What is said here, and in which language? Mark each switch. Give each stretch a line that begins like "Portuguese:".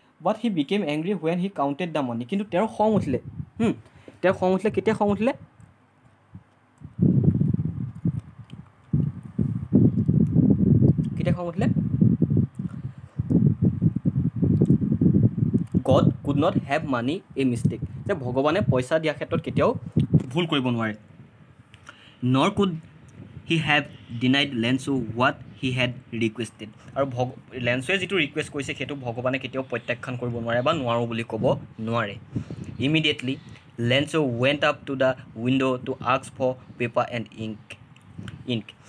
English: but he became angry when he counted the money,
Assamese: কিন্তু তেওঁৰ খং উঠিলে, তেওঁ খং উঠিলে, কেতিয়া খং উঠিলে,
English: God could not have money a mistake,
Assamese: যে ভগৱানে পইচা দিয়াৰ ক্ষেত্ৰত কেতিয়াও ভুল কৰিব নোৱাৰে.
English: nor could he have denied Lensu what he had requested.
Assamese: আৰু লেন্সুৱে যিটো ৰিকুৱেষ্ট কৰিছে সেইটো ভগৱানে কেতিয়াও প্ৰত্যাখ্যান কৰিব নোৱাৰে বা নোৱাৰো বুলি ক'ব নোৱাৰে.
English: Immediately, Lensu went up to the window to ask for paper and ink.